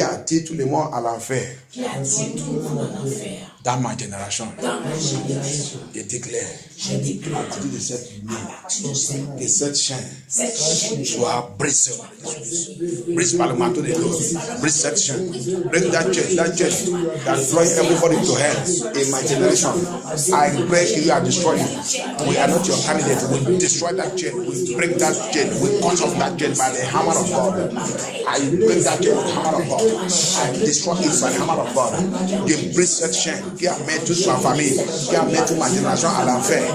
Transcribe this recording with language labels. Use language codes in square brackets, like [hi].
[fr] a dit tous les morts à l'enfer dans ma génération, je déclare à partir de cette lumière que cette chaîne soit brisée. Brise par le manteau de l'eau. Brise cette chaîne. [en] Bring that chain that drawing everybody to hell in my generation. I break you and destroy you. We are not your candidate. We destroy that chain. We break that chain. We cut off that chain by the hammer of God. I break that chain with the hammer of God. I destroy it by the hammer of God. [fr] You brise cette chaîne. Qui a mis toute ma famille, qui a mis toute ma génération à l'enfer.